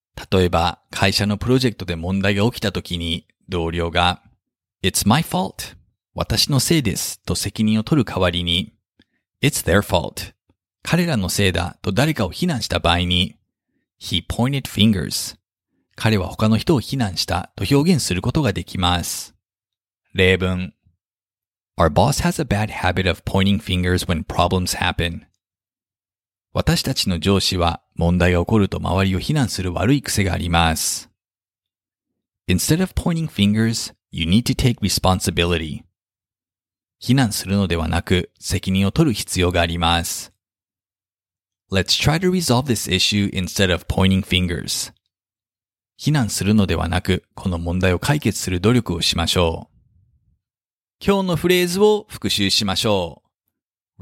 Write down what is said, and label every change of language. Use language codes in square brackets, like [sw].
[ja] 例えば、会社のプロジェクトで問題が起きた時に、同僚が、 [en] It's my fault. [ja] 私のせいです。と責任を取る代わりに、 [en] It's their fault. [ja] 彼らのせいだ。と誰かを非難した場合に、 [en] He pointed fingers. [ja] 彼は他の人を非難した。と表現することができます。例文。 [en] Our boss has a bad habit of pointing fingers when problems happen. [ja] 私たちの上司は、問題が起こると周りを非難する悪い癖があります。 [en] Instead of pointing fingers, you need to take responsibility. [ja] 非難するのではなく、責任を取る必要があります。 [en] Let's try to resolve this issue instead of pointing fingers. [ja] 非難するのではなく、この問題を解決する努力をしましょう。今日のフレーズを復習しましょう。